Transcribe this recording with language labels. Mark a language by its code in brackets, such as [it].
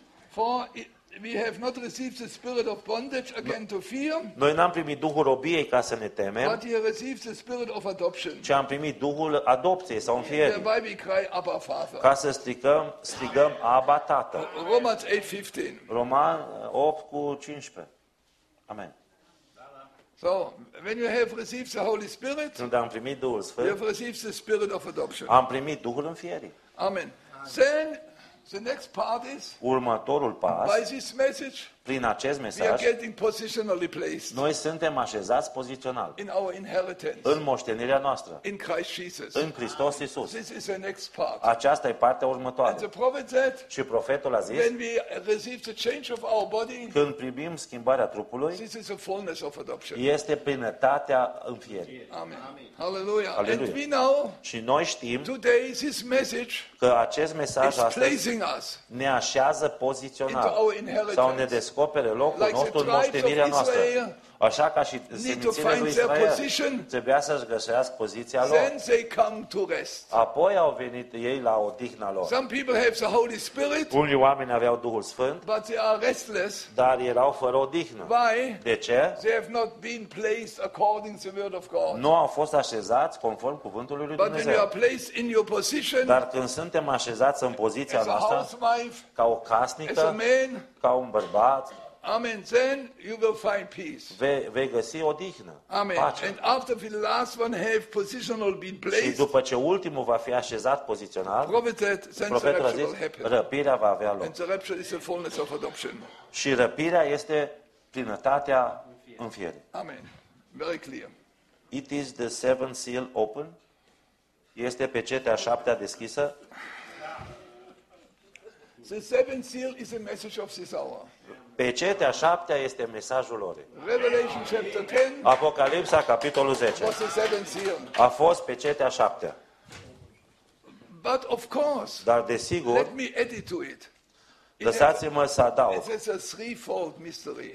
[en] For we have not received the spirit of bondage again to fear. [ro] Noi n-am primit Duhul robiei ca să ne temem. [en] But we have received the spirit of adoption. [ro] Ci am primit Duhul adopției sau înfierii. [en] Thereby we cry Abba Father. [ro] Ca să strigăm Abba Tată. [en] Romans 8:15. [ro] Roman 8:15. Amen. [en] So, when you have received the Holy Spirit, [ro] când am primit Duhul Sfânt, [en] you have received the spirit of adoption. [ro] Am primit Duhul înfierii. [en] Amen. Then, the next part is, [ro] următorul pas, [en] by this message, [ro] prin acest mesaj, [en] we are getting positionally placed, [ro] noi suntem așezați pozițional, [en] in our inheritance, [ro] în moștenirea noastră, [en] in Christ Jesus, [ro] în Hristos Iisus. [en] This is the next part. [ro] Aceasta e partea următoare. [en] And the prophet said, [ro] și profetul a zis, [en] when we receive the change of our body, [ro] când primim schimbarea trupului, [en] this is the fullness of adoption. [ro] Este plinătatea înfierii. [en] Amen. Hallelujah. Hallelujah. And we know, [ro] și noi știm, [en] today this message, [ro] că acest mesaj astăzi ne așează pozițional sau ne descopere locul nostru în moștenirea noastră. Așa ca și semințile lui Israel trebuia să-și găsească poziția lor. Apoi au venit ei la odihna lor. [en] Some people have the Holy Spirit, [ro] unii oameni aveau Duhul Sfânt, [en] but they are restless, [ro] dar erau fără odihnă. [en] Why? [ro] De ce? [en] They have not been placed according to the word of God. [ro] Nu au fost așezați conform cuvântului lui Dumnezeu. [en] But when you are placed in your position, [ro] dar când suntem așezați în poziția noastră, [en] as a housewife, [ro] ca o casnică, [en] as a man, [ro] ca un bărbat, [en] amen. Then you will find peace. [ro] Vei găsi odihnă. Amen. Pace. [en] And after the last one have positional been placed. [ro] Și după ce ultimul va fi așezat pozițional. Profetul a zis, răpirea va avea loc. [en] And the rapture is the fullness of adoption. [ro] Și răpirea este plinătatea înfierii. [en] Amen. Very clear. It is the seventh seal open. [ro] Este pecetea a șaptea deschisă. [en] The seventh seal is a message of this hour. [ro] Pecetea șaptea este mesajul lor. [en] Revelation chapter 10. [ro] Apocalipsa capitolul 10. [en] Was the seventh seal. [ro] A fost pecetea șaptea. [en] But of course. [ro] Dar desigur. [en] Let me add it to it. [ro] Lăsați-mă să adaug. [en] It's a threefold mystery.